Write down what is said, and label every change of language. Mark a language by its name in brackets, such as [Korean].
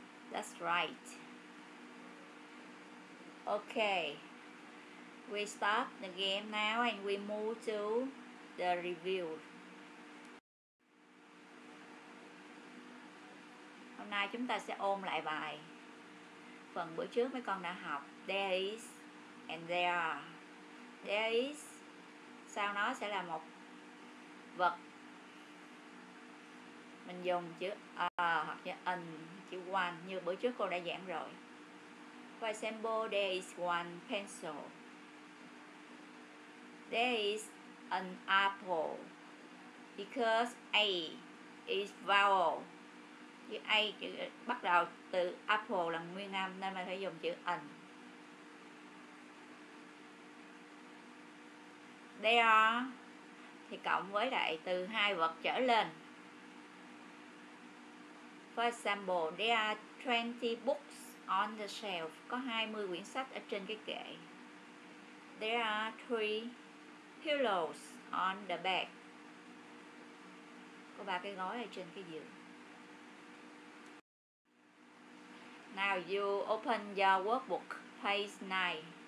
[English] That's right. Okay. We stop the game now and we move to the review. [Vietnamese] Hôm nay chúng ta sẽ ôn lại bài phần bữa trước mấy con đã học. [English] There is and there are. There is [Vietnamese] sau nó sẽ là một vật. Mình dùng chữ hoặc chữ in, chữ one như bữa trước cô đã giảng rồi. [English] For example, there is one pencil. There is an apple. Because A is vowel. [Vietnamese] Chữ A chữ, bắt đầu từ apple là nguyên âm nên mình phải dùng chữ in. [English] There are [Vietnamese] thì cộng với lại từ hai vật trở lên. [English] For example, there are 20 books on the shelf. [Vietnamese] Có 20 quyển sách ở trên cái kệ. [English] There are 3 pillows on the bed. [Vietnamese] Có 3 cái gói ở trên cái giường. [English] Now you open your workbook, page 9.